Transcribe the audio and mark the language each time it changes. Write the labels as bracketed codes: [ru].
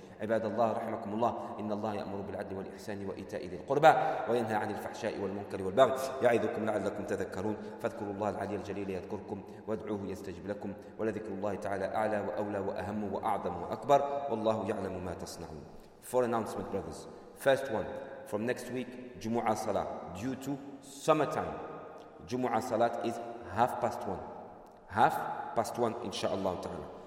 [ar] عباد الله رحمكم الله، إن الله يأمر بالعدل والإحسان وإيتاء ذي القربى وينهى عن الفحشاء والمنكر والبغي يعظكم لعلكم تذكرون، فاذكروا الله العلي الجليل يذكركم وادعوه يستجب لكم، ولذكر الله تعالى أعلى وأولى وأهم وأعظم وأكبر، والله يعلم ما تصنعون. [en] Four announcement brothers. First one, from next week [ar] جمعة صلاة [en] due to summertime. [ar] جمعة صلاة [en] is half past one. Half past one [ar] إن شاء الله تعالى.